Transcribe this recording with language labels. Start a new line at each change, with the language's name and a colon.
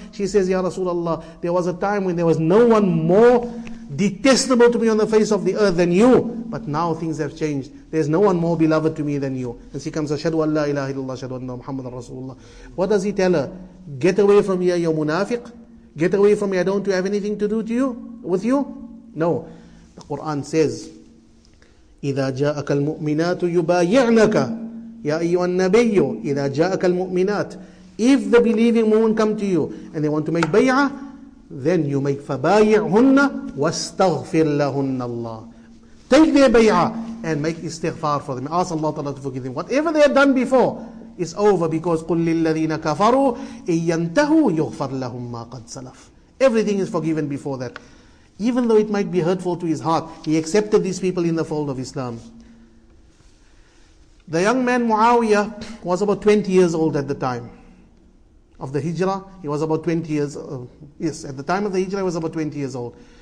English: She says, Ya Rasulullah, there was a time when there was no one more detestable to me on the face of the earth than you. But now things have changed. There's no one more beloved to me than you. And she comes, Ashhadu an la ilaha illallah, Ashhadu anna Muhammadan Rasulullah. What does he tell her? Get away from here, ya munafiq. Get away from me, I don't have anything to do to you, with you. No.
Arabic: The Quran says, إِذَا جَاءَكَ الْمُؤْمِنَاتُ يُبَايِعْنَكَ يَا أَيُّهَا النَّبِيُّ إِذَا جَاءَكَ الْمُؤْمِنَاتُ.
English: If the believing women come to you and they want to make bay'ah, then you make فَبَايِعْهُنَّ وَاسْتَغْفِرْ لَهُنَّ اللَّهُ. Take their bay'ah and make istighfar for them. Ask Allah Ta'ala to forgive them.
Arabic: Whatever they had done before, it's over, because قُلْ لِلَّذِينَ كَفَرُوا إِنْ يَنْتَهُوا يُغْفَرْ لَهُمْ مَا قَدْ سَلَفْ.
English: Everything is forgiven before that. Even though it might be hurtful to his heart, he accepted these people in the fold of Islam. The young man Muawiyah was about 20 years old at the time of the Hijrah. He was about 20 years old. Yes, at the time of the Hijrah, he was about 20 years old.